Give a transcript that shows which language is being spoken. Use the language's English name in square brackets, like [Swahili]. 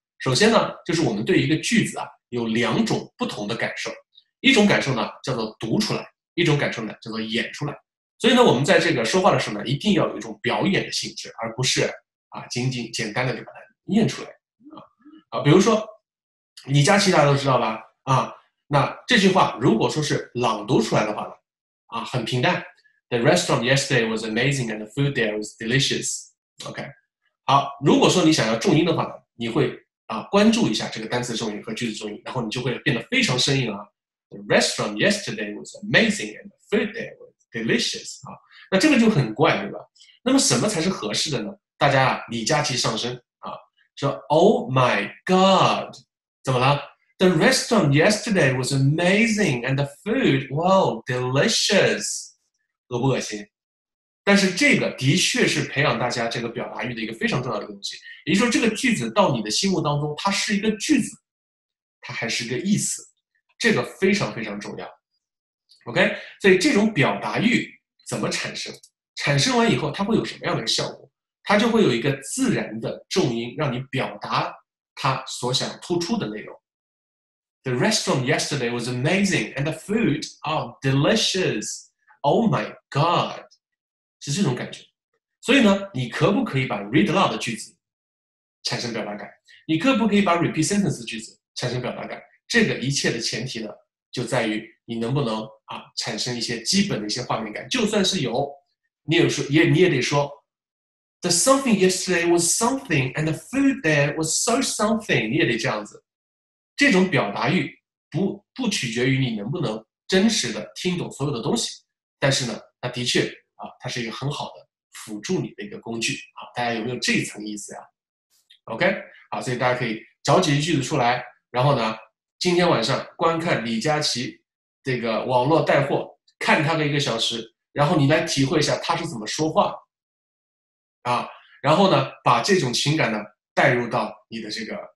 [Chinese] 首先呢，就是我们对一个句子啊有两种不同的感受，一种感受呢叫做读出来，一种感受呢叫做演出来。所以呢，我们在这个说话的时候呢，一定要有一种表演的性质，而不是啊仅仅简单的就把它念出来啊。比如说李佳琦大家都知道吧？啊，那这句话如果说是朗读出来的话呢，啊，很平淡。 [English] The restaurant yesterday was amazing and the food there was delicious. [Chinese] OK，好，如果说你想要重音的话呢，你会啊关注一下这个单词重音和句子重音，然后你就会变得非常生硬啊。 [English] The restaurant yesterday was amazing and the food there was delicious. [Chinese] 啊，那这个就很怪，对吧？那么什么才是合适的呢？大家啊，李佳琦上身啊，说 [English] Oh my God， [Chinese] 怎么了？ [English] The restaurant yesterday was amazing, and the food, wow, delicious， [Chinese] 恶不恶心？但是这个的确是培养大家这个表达欲的一个非常重要的东西。也就是说，这个句子到你的心目当中，它是一个句子，它还是个意思，这个非常非常重要。 OK，所以这种表达欲怎么产生？产生完以后，它会有什么样的效果？它就会有一个自然的重音，让你表达它所想突出的内容。 [English] The restaurant yesterday was amazing, and the food, oh, delicious, oh my god， [Chinese] 是这种感觉。所以呢，你可不可以把 read aloud 的句子产生表达感？你可不可以把 repeat sentence 的句子产生表达感？这个一切的前提呢，就在于你能不能啊产生一些基本的一些画面感。就算是有，你也得说， [English] the something yesterday was something, and the food there was so something， [Chinese] 你也得这样子。这种表达欲不取决于你能不能真实的听懂所有的东西，但是呢，它的确啊，它是一个很好的辅助你的一个工具啊。大家有没有这一层意思呀？OK，好，所以大家可以找几句句子出来，然后呢，今天晚上观看李佳琦这个网络带货，看他的一个小时，然后你来体会一下他是怎么说话啊，然后呢，把这种情感呢带入到你的这个。